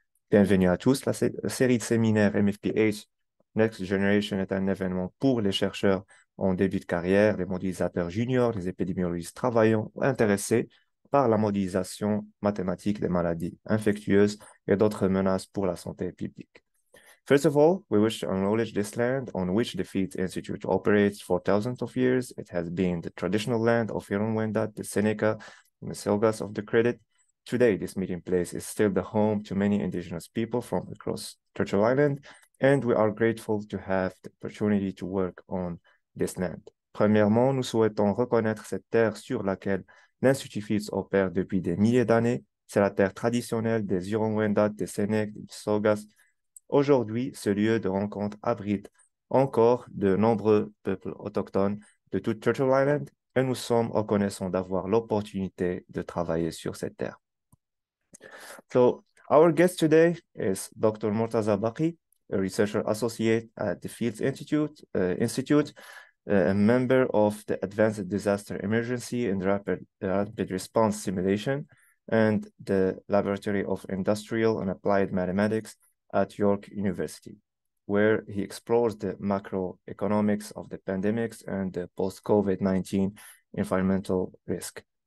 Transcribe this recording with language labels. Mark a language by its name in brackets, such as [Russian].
[French] Bienvenue à tous, la série de séminaires MFPH Next Generation est un événement pour les chercheurs en début de carrière, les modélisateurs juniors, les épidémiologistes travaillant ou intéressés par la modélisation mathématique des maladies infectieuses et d'autres menaces pour la santé publique. [English] First of all, we wish to acknowledge this land on which the Field Institute operates for thousands of years. It has been the traditional land of Huron-Wendat, the Seneca, and the Mississaugas of the Credit. Today, this meeting place is still the home to many Indigenous people from across Churchill Island, and we are grateful to have the opportunity to work on this land. [French] Premièrement, nous souhaitons reconnaître cette terre sur laquelle l'Institut Fields opère depuis des milliers d'années. C'est la terre traditionnelle des Huron-Wendat, des Sénèques, des Saugas. Aujourd'hui, ce lieu de rencontre abrite encore de nombreux peuples autochtones de toute Churchill Island et nous sommes reconnaissants d'avoir l'opportunité de travailler sur cette terre. [English] So, our guest today is Dr. Mortaza Baky, a researcher associate at the Fields Institute, a member of the Advanced Disaster Emergency and Rapid Response Simulation, and the Laboratory of Industrial and Applied Mathematics at York University, where he explores the macroeconomics of the pandemics and the post-COVID-19 environmental risk.